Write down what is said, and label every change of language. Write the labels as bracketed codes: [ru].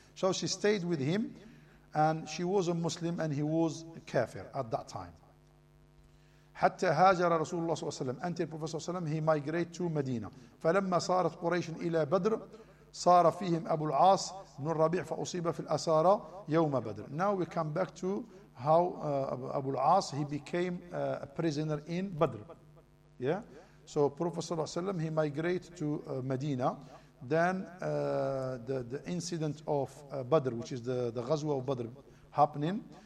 [en] So she stayed with him and she was a Muslim and he was a kafir at that time. [ar] حتى هاجر رسول الله صلى الله عليه وسلم أنت البروفيسور صلى الله عليه وسلم [en] he migrated to [ar] مدينة. فلما صارت قريش إلى بدر صار فيهم أبو العاص بن الربيع فأصيب في الأسارة يوم بدر. [en] Now we come back to how أبو العاص he became a prisoner in بدر. Yeah, so Prophet ﷺ, he migrated to Medina. Then the incident of Badr, which is the Ghazwa of Badr, happening.